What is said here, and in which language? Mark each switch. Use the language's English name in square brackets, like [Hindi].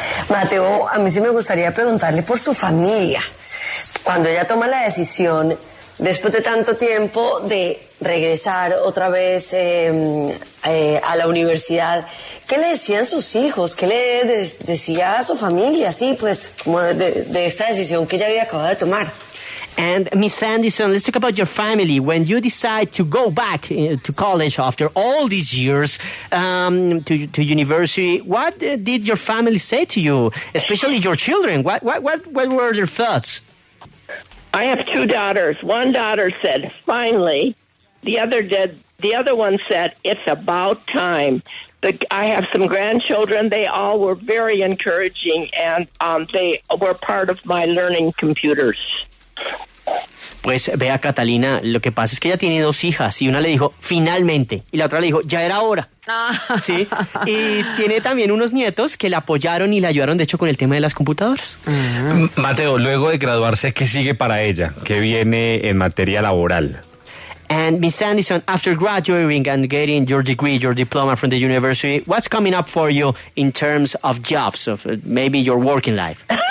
[Spanish] Mateo, a mí sí me gustaría preguntarle por su familia. Cuando ella toma la decisión, después de tanto tiempo de regresar otra vez a la universidad, ¿qué le decían sus hijos? ¿Qué le decía a su familia? Sí, pues, como de esta decisión que ella había acabado de tomar. [English] And Miss Anderson, let's talk about your family. When you decide to go back to college after all these years to university, what did your family say to you, especially your children? What were their thoughts? I have two daughters. One daughter said, finally. The other one said, it's about time. I have some grandchildren. They all were very encouraging, and they were part of my learning computers. [Spanish] Pues vea, Catalina, lo que pasa es que ella tiene dos hijas y una le dijo, finalmente, y la otra le dijo, ya era hora. Sí, y tiene también unos nietos que la apoyaron y la ayudaron, de hecho, con el tema de las computadoras. Mateo, luego de graduarse, ¿qué sigue para ella? ¿Qué viene en materia laboral? [English] And Miss Anderson, after graduating and getting your degree, your diploma from the university, what's coming up for you in terms of jobs, of maybe your working life?